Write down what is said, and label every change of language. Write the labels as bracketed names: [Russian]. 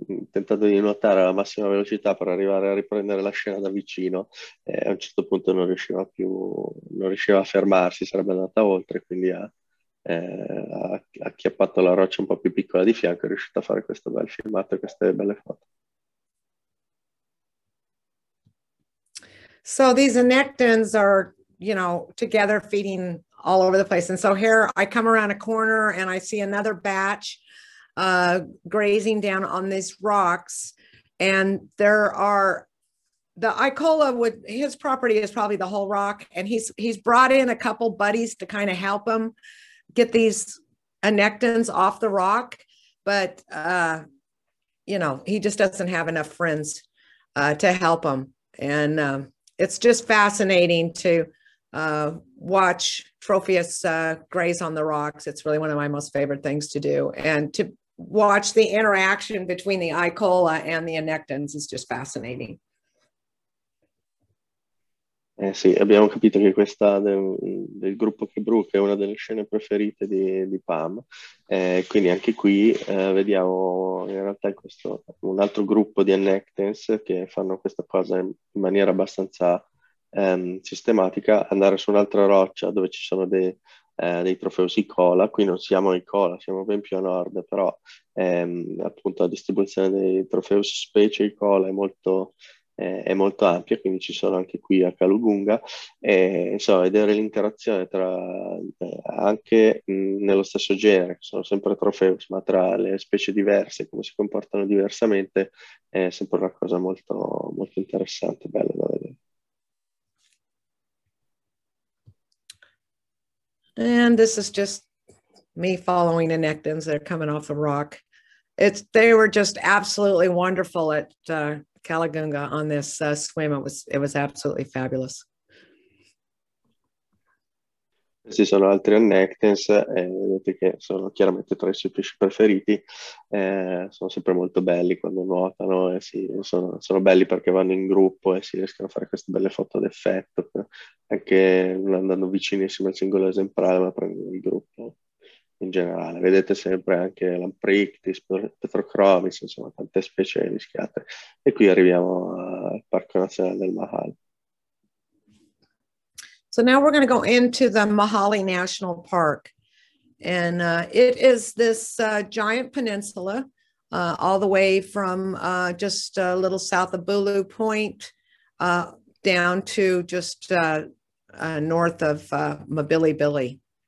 [Italian] tentando di nuotare alla massima velocità per arrivare a riprendere la scena da vicino, a un certo punto non riusciva a fermarsi, sarebbe andata oltre, quindi ha acchiappato la roccia un po' più piccola di fianco, è riuscito a fare questo bel filmato, queste belle foto. [English] So these annectins are, you know, together feeding all over the place. And so here I come around a corner and I see another batch grazing down on these rocks. And there are the Icola, with his property is probably the whole rock. And he's brought in a couple buddies to kind of help him get these annectins off the rock. But, you know, he just doesn't have enough friends to help him. And it's just fascinating to watch Trophaeus graze on the rocks. It's really one of my most favorite things to do. And to watch the interaction between the Icola and the annectins is just fascinating. [Italian] Eh sì, abbiamo capito che questa del gruppo che bruca è una delle scene preferite di Pam, quindi anche qui vediamo in realtà questo un altro gruppo di annectins che fanno questa cosa in maniera abbastanza sistematica, andare su un'altra roccia dove ci sono dei Trophaeus Icola. Qui non siamo Icola, siamo ben più a nord, però appunto la distribuzione dei Trophaeus specie Icola è molto ampia, quindi ci sono anche qui a Kalugunga, e insomma, vedere l'interazione tra anche nello stesso genere, sono sempre Trophaeus, ma tra le specie diverse, come si comportano diversamente, è sempre una cosa molto, molto interessante, bella da vedere. [English] And this is just me following annectins that are coming off the rock. It's they were just absolutely wonderful at Kalagunga on this swim. It was absolutely fabulous. [Italian] Ci sono altri annectens, vedete che sono chiaramente tra I suoi pesci preferiti, sono sempre molto belli quando nuotano e si, sono belli perché vanno in gruppo e si riescono a fare queste belle foto d'effetto, anche non andando vicinissimo al singolo esemplare ma prendendo il gruppo in generale. Vedete sempre anche l'Amprictis, Petrochromis, insomma tante specie rischiate e qui arriviamo al Parco Nazionale del Mahal. [English] So now we're going to go into the Mahale National Park, and it is this giant peninsula all the way from just a little south of Bulu Point down to just north of Mabilibili.